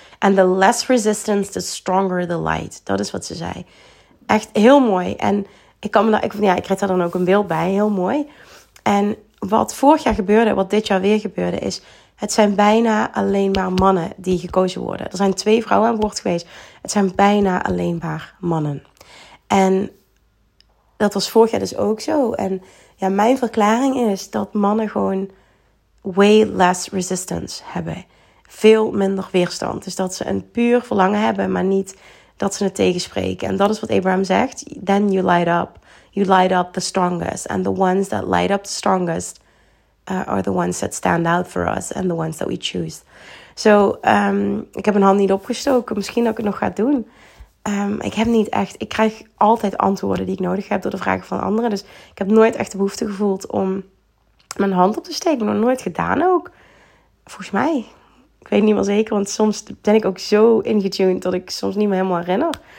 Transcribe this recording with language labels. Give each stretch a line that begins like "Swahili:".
English: And the less resistance, the stronger the light.
Dutch: Dat is wat ze zei. Echt heel mooi. En ik kreeg daar dan ook een beeld bij. Heel mooi. En wat vorig jaar gebeurde, wat dit jaar weer gebeurde, is... Het zijn bijna alleen maar mannen die gekozen worden. Er zijn 2 vrouwen aan boord geweest. Het zijn bijna alleen maar mannen. En dat was vorig jaar dus ook zo. En ja, mijn verklaring is dat mannen gewoon
English: way less resistance
Dutch: hebben. Veel minder weerstand. Dus dat ze een puur verlangen hebben, maar niet dat ze het tegenspreken. En dat is wat Abraham zegt.
English: Then you light up. You light up the strongest. And the ones that light up the strongest are the ones that stand out for us. And the ones that we choose.
Dutch: So, ik heb mijn hand niet opgestoken. Misschien dat ik het nog ga doen. Ik heb niet echt... Ik krijg altijd antwoorden die ik nodig heb door de vragen van anderen. Dus ik heb nooit echt de behoefte gevoeld om mijn hand op te steken. Nog nooit gedaan ook. Volgens mij... Ik weet niet meer zeker, want soms ben ik ook zo ingetuned dat ik soms niet meer helemaal herinner.